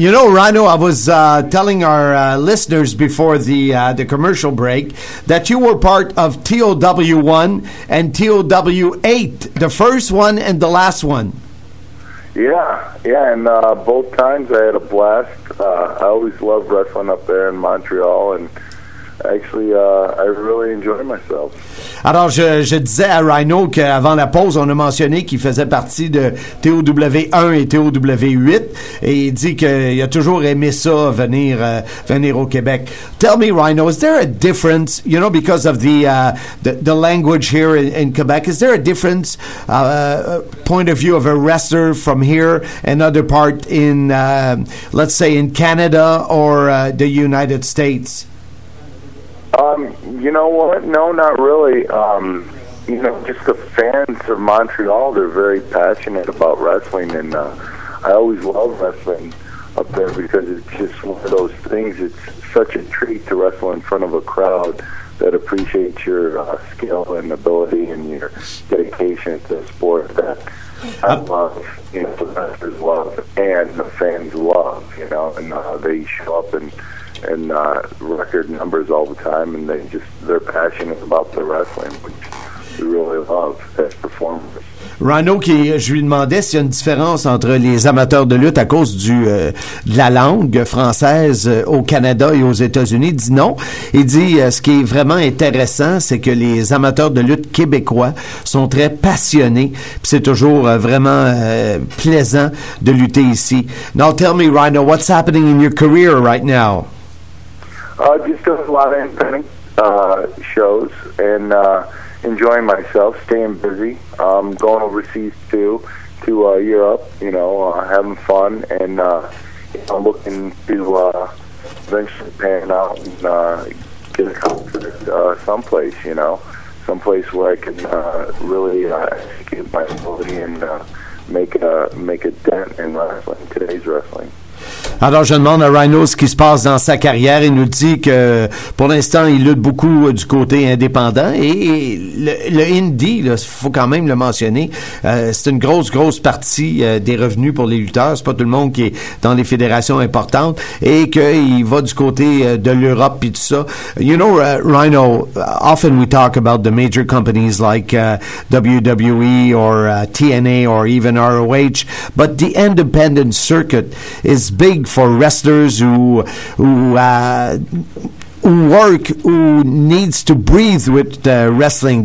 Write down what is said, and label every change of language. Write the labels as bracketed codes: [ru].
[en] You know, Rhino, I was telling our listeners before the commercial break that you were part of TOW1 and TOW8, the first one and the last one. Yeah, and both times I had a blast. I always loved wrestling up there in Montreal, and actually, I really enjoy myself. [fr] Alors, je disais à Rhino qu'avant la pause, on a mentionné qu'il faisait partie de TOW1 et TOW8, et il dit qu'il a toujours aimé ça, venir au Québec. [en] Tell me, Rhino, is there a difference, you know, because of the language here in Quebec, is there a difference, point of view of a wrestler from here, another part in, let's say, in Canada or the United States? You know what? No, not really. You know, just the fans of Montreal, they're very passionate about wrestling, and I always love wrestling up there because it's just one of those things. It's such a treat to wrestle in front of a crowd that appreciates your skill and ability and your dedication to the sport that I love, you know, the wrestlers love and the fans love, you know, and they show up and record numbers all the time, and they're passionate about the wrestling, which we really love as performers. [fr] Rhino, je lui demandais s'il y a une différence entre les amateurs de lutte à cause de la langue française au Canada et aux États-Unis. Il dit non. Il dit ce qui est vraiment intéressant, c'est que les amateurs de lutte québécois sont très passionnés. Pis c'est toujours vraiment plaisant de lutter ici. [en] Now tell me, Rhino, what's happening in your career right now? Just a lot of shows and enjoying myself, staying busy, going overseas to Europe, you know, having fun, and I'm looking to eventually pan out and get a contract someplace, you know, someplace where I can really get my ability and make a dent in wrestling, today's wrestling. [fr] Alors, je demande à Rhino ce qui se passe dans sa carrière. Il nous dit que, pour l'instant, il lutte beaucoup du côté indépendant. Et le indie, il faut quand même le mentionner, c'est une grosse, grosse partie des revenus pour les lutteurs. C'est pas tout le monde qui est dans les fédérations importantes. Et qu'il va du côté de l'Europe et tout ça. [en] You know, Rhino, often we talk about the major companies like WWE or TNA or even ROH. But the independent circuit is big for wrestlers who work, who needs to breathe with wrestling.